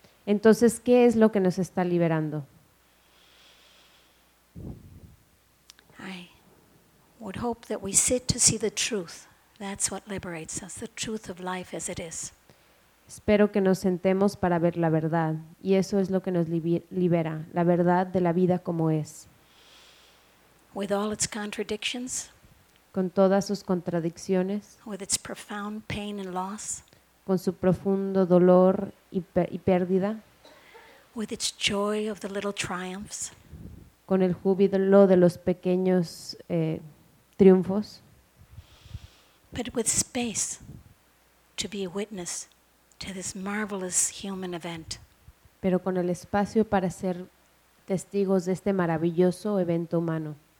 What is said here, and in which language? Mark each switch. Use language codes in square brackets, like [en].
[es] Entonces, ¿qué es lo que nos está liberando? [en] I would hope that we sit to see the truth. That's what liberates us, the truth of life as it is. [es] Espero que nos sentemos para ver la verdad, y eso es lo que nos libera, la verdad de la vida como es. [en] With all its contradictions, [es] con todas sus contradicciones, [en] with its profound pain and loss, [es] con su profundo dolor y pérdida, [en] with its joy of the little triumphs, [es] con el júbilo de los pequeños triunfos, [en] but with space to be a witness to this marvelous human event, [es] pero con el espacio para ser testigos de este maravilloso evento humano.